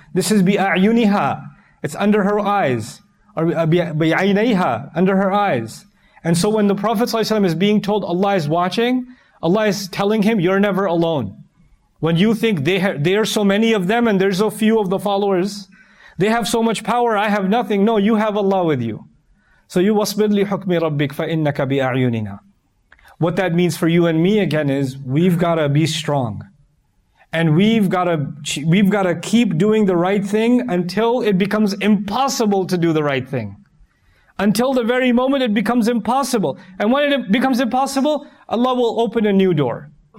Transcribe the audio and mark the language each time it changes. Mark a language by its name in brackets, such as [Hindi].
[English] This is bi'ayuniha. It's under her eyes. Or بِعَيْنَيْهَا, under her eyes. And so when the Prophet ﷺ is being told Allah is watching, Allah is telling him, you're never alone. When you think they are so many of them and there's so few of the followers, they have so much power, I have nothing. No, you have Allah with you. So you [Arabic] وَاصْبِرْ لِحُكْمِ رَبِّكَ فَإِنَّكَ بِأَعْيُنِنَا. [English] What that means for you and me again is, we've got to be strong. And we've got to keep doing the right thing until it becomes impossible to do the right thing. Until the very moment it becomes impossible. And when it becomes impossible, Allah will open a new door.